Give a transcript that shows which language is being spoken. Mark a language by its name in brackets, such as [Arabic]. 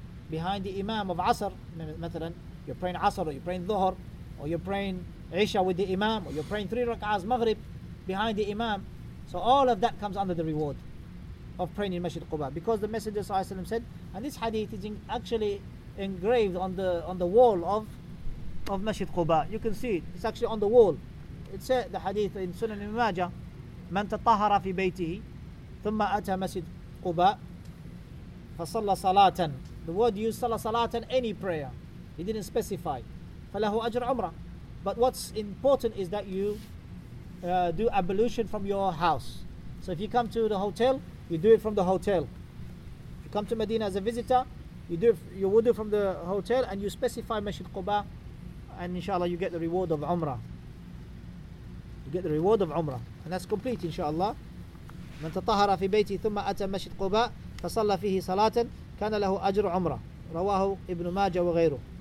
[English] Behind the imam of Asr, مثلاً, you're praying Asr, or you're praying Dhuhr, or you're praying Isha with the imam, or you're praying three rak'ahs Maghrib behind the imam. So all of that comes under the reward of praying in Masjid Quba. Because the Messenger ﷺ said, and this hadith is actually engraved on the wall of Masjid Quba. You can see it. It's actually on the wall. It said the hadith in Sunan Ibn Majah, [Arabic] مَنْ تَطَهَرَ فِي بَيْتِهِ ثُمَّ أَتَى مَسْجِدْ قُبَى فَصَلَّ صَلَاةً. [English] The word used, [Arabic] صَلَّ صَلَاةً, [English] any prayer. He didn't specify. [Arabic] فَلَهُ أَجْرَ عُمْرَ. [English] But what's important is that you do ablution from your house. So if you come to the hotel, you do it from the hotel. If you come to Medina as a visitor, you would do from the hotel, and you specify Masjid Quba, and inshallah you get the reward of Umrah. You get the reward of Umrah. And that's complete, inshallah. [Arabic] مَنْ تَطَهَرَ فِي بَيْتِهِ ثُمَّ أَتَى مَسْجِدْ قُبَى فَصَلَّ فِيهِ صَلَاةً كان له أجر عمرة رواه ابن ماجة وغيره.